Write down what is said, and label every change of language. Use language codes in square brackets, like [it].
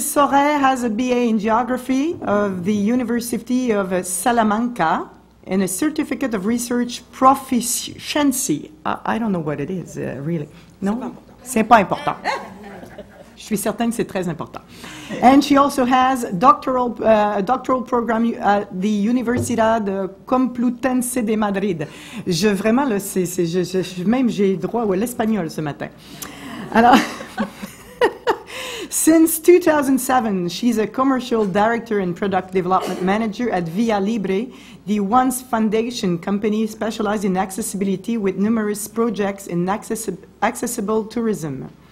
[en] Soret has a BA in Geography of the University of Salamanca and a Certificate of Research Proficiency. I don't know what it is, really. No? [fr] C'est pas important. Je suis certaine que c'est très important. [en] And she also has a doctoral program at the Universidad Complutense de Madrid. [fr] Je vraiment là, même j'ai droit à l'espagnol ce matin. [en] Alors, since 2007, she's a commercial director and product development manager at Via Libre, the ONCE Foundation company specialized in accessibility with numerous projects in accessible tourism.